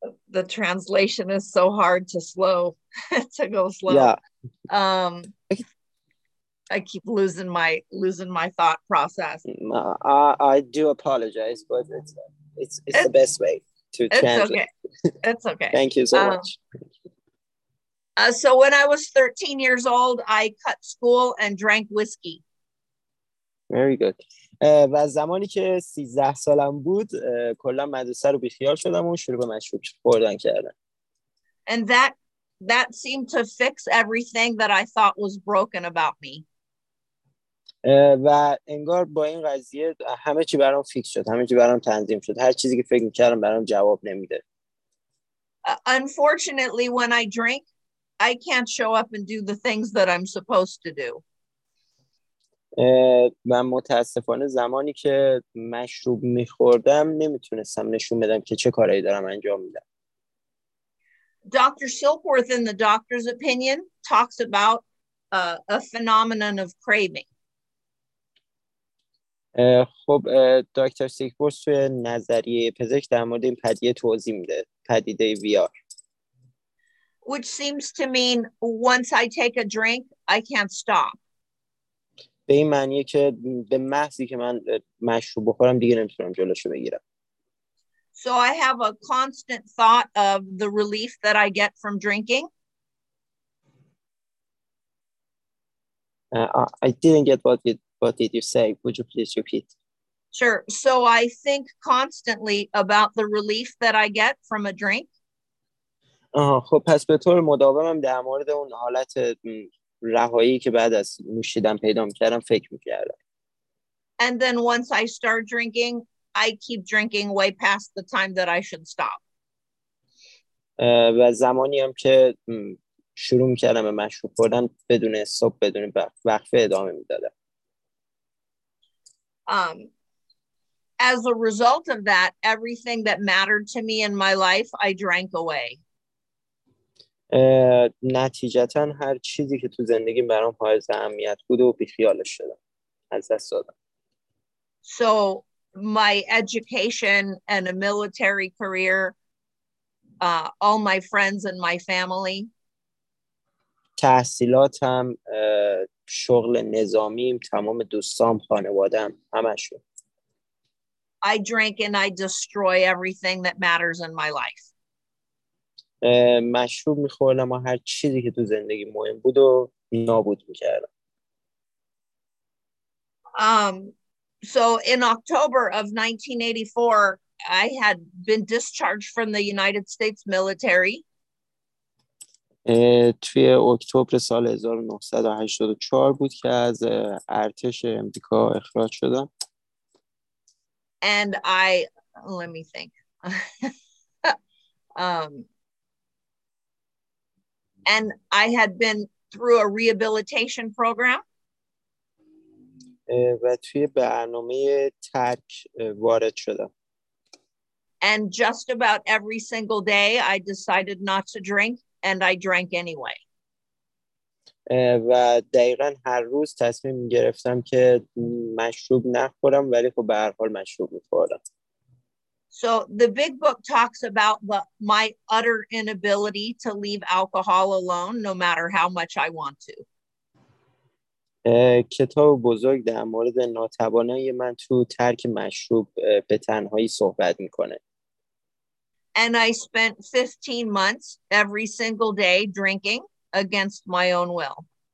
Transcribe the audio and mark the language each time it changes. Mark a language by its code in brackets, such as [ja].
[en] The translation is so hard to slow to go slow. Yeah. I keep losing my thought process. I do apologize, but it's the best way to translate. It's okay. Thank you so much. So when I was 13 years old, I cut school and drank whiskey. Very good. [fa] و زمانی که 13 سالم بود کلا مدرسه رو بیخیال شدم و شروع به مشروب خوردن کردم. [en] And that seemed to fix everything that I thought was broken about me. [fa] و انگار با این قضیه همه چی برام فیکس شد، همه چی برام تنظیم شد، هر چیزی که فکر می‌کردم برام جواب نمیده. [en] Unfortunately, when I drink, I can't show up and do the things that I'm supposed to do. [fa] من متاسفانه زمانی که مشروب می‌خوردم نمیتونستم نشون بدم که چه کارهایی دارم انجام میدم. [en] Dr. Silkworth, in the doctor's opinion, talks about a phenomenon of craving. [fa] خب دکتر سیکورس توی نظریه پزشک در مورد این پدیده توضیح میده، پدیده VR. [en] Which seems to mean once I take a drink, I can't stop. [fa] به این معنیه که به محضی که من مشروب بخورم دیگه نمیتونم جلوشو بگیرم. [en] So I have a constant thought of the relief that I get from drinking. I didn't get what did you say. Would you please repeat? Sure. So I think constantly about the relief that I get from a drink. [fa] خب پس به طور مداومم در مورد اون حالت رهایی که بعد از نوشیدن پیدا می‌کردم فکر می‌کردم. [en] And then once I start drinking, I keep drinking way past the time that I should stop. [fa] و زمانی هم که شروع می‌کردم به مشروب خوردن بدون استاپ بدون وقفه ادامه می‌دادم. [en] As a result of that, everything that mattered to me in my life, I drank away. [fa] نتیجتاً هر چیزی که تو زندگی برام حائز اهمیت بود و بیخیالش شدم، از دست دادم. [en] So my education and a military career, all my friends and my family. [fa] تحصیلاتم، شغل نظامیم، تمام دوستام، خانوادم، همشون. [en] I drink and I destroy everything that matters in my life. [fa] مشروب می‌خوردم و هر چیزی که تو زندگی مهم بود و نابود می‌کردم. [en] So in October of 1984, I had been discharged from the United States military. [fa] توی اکتبر سال 1984 بود که از ارتش امریکا اخراج شدم. [en] And I, let me think. And I had been through a rehabilitation program. [fa] و توی برنامه ترک وارد شدم. [en] And just about every single day I decided not to drink and I drank anyway. [fa] و دقیقاً هر روز تصمیم گرفتم که مشروب نخورم ولی خب به هر حال مشروب می‌خوردم. [en] So the big book talks about my utter inability to leave alcohol alone no matter how much I want to. [fa] کتاب بزرگ در مورد ناتوانی من تو ترک مشروب به تنهایی صحبت میکنه. [en] And I spent 15 months every single day drinking against my own will.